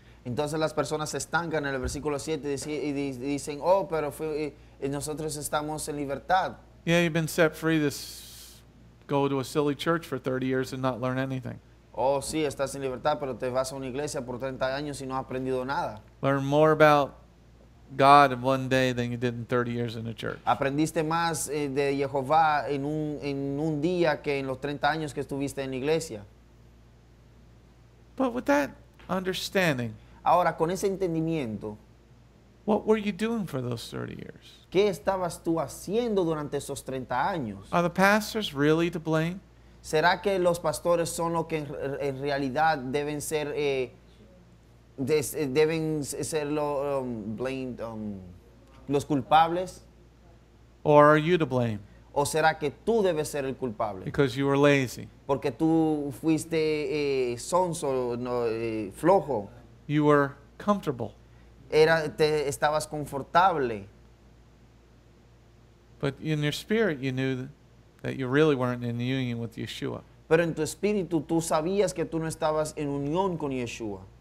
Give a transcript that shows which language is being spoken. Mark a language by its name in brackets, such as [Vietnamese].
[Spanish] Entonces las personas se estancan en el versículo 7 y dicen, oh, pero nosotros estamos en libertad. [English] Yeah, you've been set free this go to a silly church for 30 years and not learn anything. [Spanish] Oh, sí, estás en libertad, pero te vas a una iglesia por 30 años y no has aprendido nada. [English] Learn more about God in one day than you did in 30 years in a church. [Spanish] Aprendiste más de Yehovah en un día que en los 30 años que estuviste en iglesia. [English] But with that understanding, [Spanish] ahora con ese entendimiento, [English] what were you doing for those 30 years? [Spanish] ¿Qué estabas tú haciendo durante esos 30 años? [English] Are the pastors really to blame? [Spanish] ¿Será que los pastores son los que en realidad deben ser deben ser los culpables? [English] Or are you to blame? [Spanish] ¿O será que tú debes ser el culpable? [English] Because you were lazy. [Spanish] Porque tú fuiste sonso, no, flojo. [English] You were comfortable. [Spanish] Te estabas confortable. [English] But in your spirit, you knew that you really weren't in union with Yeshua. [Spanish] Pero en tu espíritu, tú sabías que tú no estabas en unión con Yeshua.